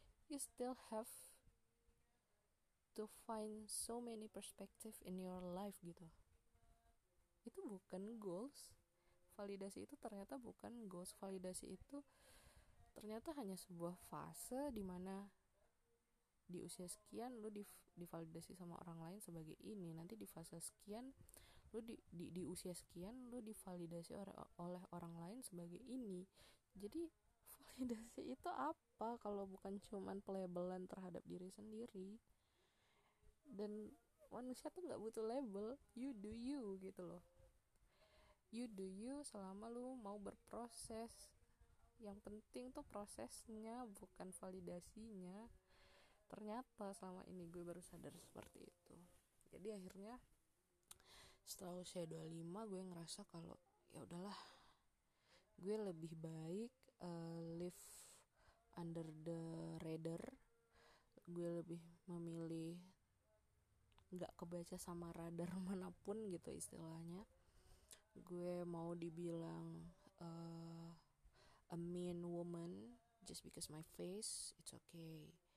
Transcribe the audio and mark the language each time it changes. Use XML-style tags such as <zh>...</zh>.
<en>You still have to find so many perspective in your life gitu.</en> <id>Itu bukan goals. Validasi itu ternyata bukan goals. Validasi itu ternyata hanya sebuah fase di mana di usia sekian lu divalidasi sama orang lain sebagai ini. Nanti di fase sekian lu di usia sekian lu divalidasi oleh orang lain sebagai ini. Jadi validasi itu apa kalau bukan cuman pelabelan terhadap diri sendiri? Dan manusia tuh gak butuh label.</id> <en>You do you</en> <id>gitu loh.</id> <en>You do you</en> <id>selama lu mau berproses. Yang penting tuh prosesnya, bukan validasinya. Ternyata selama ini gue baru sadar seperti itu. Jadi akhirnya setelah usia 25 gue ngerasa kalau ya udahlah, gue lebih baik</id> <en>live under the radar.</en> <id>Gue lebih memilih gak kebaca sama radar manapun gitu istilahnya. Gue mau dibilang</id> <en>a mean woman just because my face, it's okay.</en>